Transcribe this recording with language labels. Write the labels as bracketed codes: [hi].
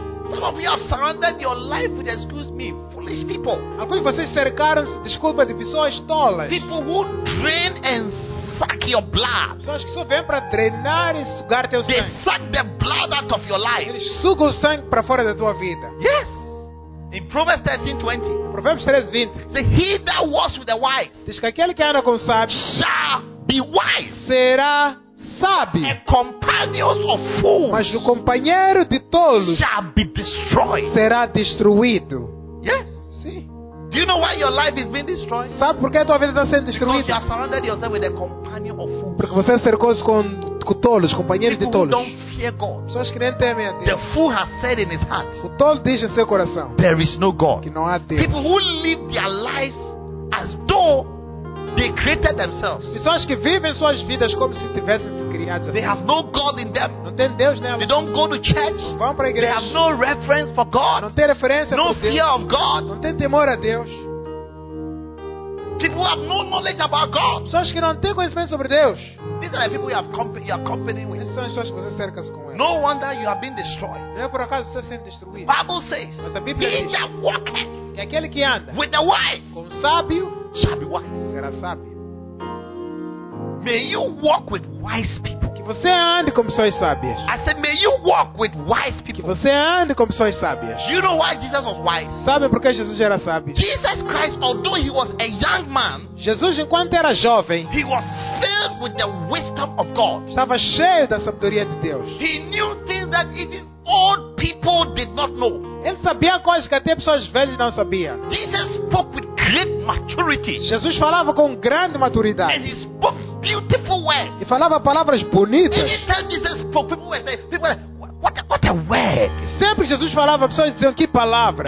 [en] Some of you have surrounded your life with, excuse me, foolish people. [pt] Alguns de vocês cercaram-se, desculpa, de pessoas tolas. [en] People who drain and suck your blood. [pt] Pessoas que só vêm para drenar e sugar teu sangue. [en] They suck the blood out of your life. [pt] Eles sugam o sangue para fora da tua vida. [en] Yes. In Proverbs 13:20. [pt] Provérbios 13:20. [en] Say he that walks with the wise. [pt] Diz que aquele que anda com sábio. [en] Shall be wise. [pt] Será sábio. [en] A companion of fools. [pt] Mas o companheiro de tolos. [en] Shall be destroyed. [pt] Será destruído. [en] Yes. [pt] Sim. [en] Do you know why your life is being destroyed? [pt] Sabe por que a tua vida está sendo destruída? [en] Because you have surrounded yourself with a companion of fools. [pt] Porque você cercou-se com tolos, companheiros de tolos. [en] Don't fear God. [pt] Pessoas que nem temem a Deus. [en] The fool has said in his heart. [pt] O tolo diz em seu coração. [en] There is no God. [pt] Que não há Deus. [en] People who live their lives as though they created themselves. [pt] Pessoas que vivem suas vidas como se tivessem se criado. [en] They have no God in them. [pt] Não tem Deus nela. [en] They don't go to church. [pt] Não vão para a igreja. [en] They have no reference for God. [pt] Não tem referência no por Deus. [en] No fear of God. [pt] Não tem temor a Deus. [en] People have no knowledge about God. [pt] Pessoas que não têm conhecimento sobre Deus. [en] These are the people you are company with. [pt] Essas são as pessoas que você cerca com elas. [en] No wonder you have been destroyed. [pt] Não é por acaso você sendo destruído. [en] Bible says, [pt] mas a Bíblia diz, [en] he that walketh, [pt] e aquele que anda [en] with the wise, [pt] com sábio, [en] shall be wise. [pt] Será sábio. [en] May you walk with wise people. [pt] Que você ande com pessoas sábias. [en] I said, may you walk with wise people. [pt] Que você ande com pessoas sábias. [en] You know why Jesus was wise? [pt] Sabe por que Jesus era sábio? [en] Jesus Christ, although he was a young man, [pt] Jesus enquanto era jovem, [en] he was filled with the wisdom of God. [pt] Estava cheio da sabedoria de Deus. [en] He knew things that even old people did not know. [pt] Ele sabia coisas que até pessoas velhas não sabiam. [en] Jesus spoke with great maturity. [pt] Jesus falava com grande maturidade. [en] And he spoke beautiful words. [pt] E falava palavras bonitas. [en] Anytime Jesus spoke, people were saying, what a word. [pt] Sempre que Jesus falava, as pessoas diziam, que palavra.